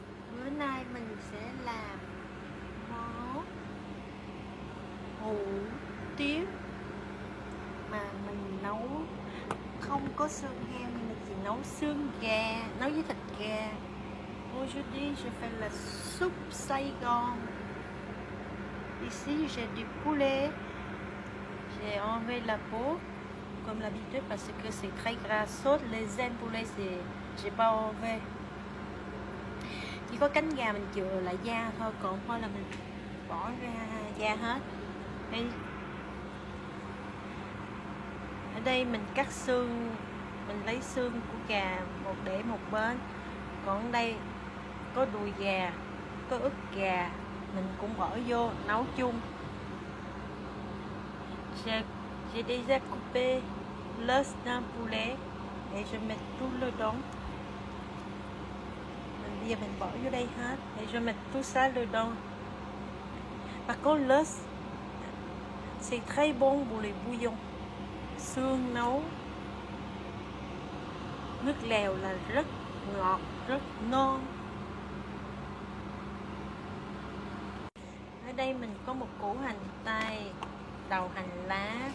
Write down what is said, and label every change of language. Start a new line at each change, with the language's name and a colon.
Vietnamese: Bữa nay mình sẽ làm món hủ tiếu mà mình nấu không có xương heo, mình chỉ nấu xương gà, nấu với thịt gà.
French: Aujourd'hui je fais la soupe Saigon. Ici j'ai du poulet. J'ai enlevé la peau comme l'habitude parce que c'est très gras. Sauf les ailes poulet, j'ai pas enlevé.
Vietnamese: Chỉ có cánh gà mình chừa lại da thôi, còn thôi là mình bỏ ra da hết. Ở đây mình cắt xương, mình lấy xương của gà một để một bên. Còn đây có đùi gà, có ức gà, mình cũng bỏ vô nấu chung.
French: J'ai déjà coupé l'os d'un poulet et je mets tout le dedans.
Vietnamese: Mình bây giờ mình bỏ vô đây hết.
French: Et je mets tout ça le dedans. Par contre l'os c'est très bon pour les bouillons.
Vietnamese: Xương nấu nước lèo là rất ngọt, rất non. Ở đây mình có một củ hành tây, đầu hành lá.